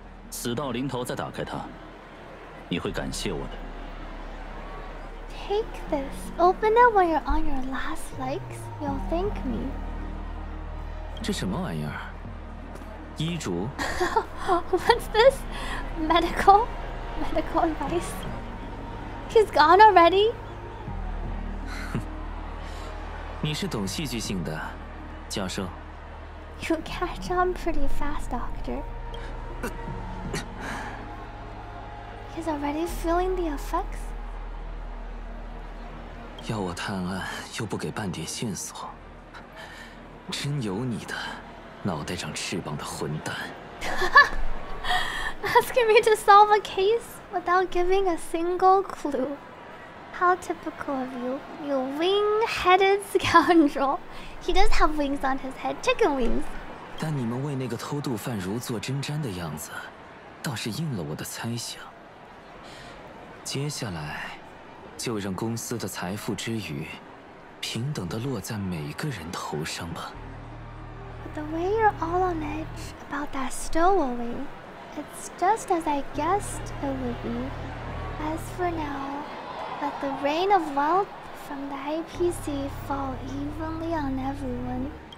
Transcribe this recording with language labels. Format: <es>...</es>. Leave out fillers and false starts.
<zh>死到临头再打开它，你会感谢我的。</zh> <en>Take this. Open it when you're on your last legs. You'll thank me.</en> <zh>这什么玩意儿？医嘱。</zh> <en>What's this? Medical advice? He's gone already?</en> <zh>你是懂戏剧性的，教授。</zh> <en>You catch on pretty fast, Doctor. He's already feeling the effects.</en> <zh>要我探案又不给半点线索，真有你的脑袋长翅膀的混蛋。</zh> <en>Asking me to solve a case without giving a single clue. How typical of you, you wing-headed scoundrel. He does have wings on his head, chicken wings.</en> <zh>但你们为那个偷渡犯如坐针毡的样子，倒是应了我的猜想。接下来，就让公司的财富之余，平等地落在每个人头上吧。</zh> <en>The way you're all on edge about that stowaway, it's just as I guessed it would be. As for now, let the rain of wealth from the IPC fall evenly on everyone.</en>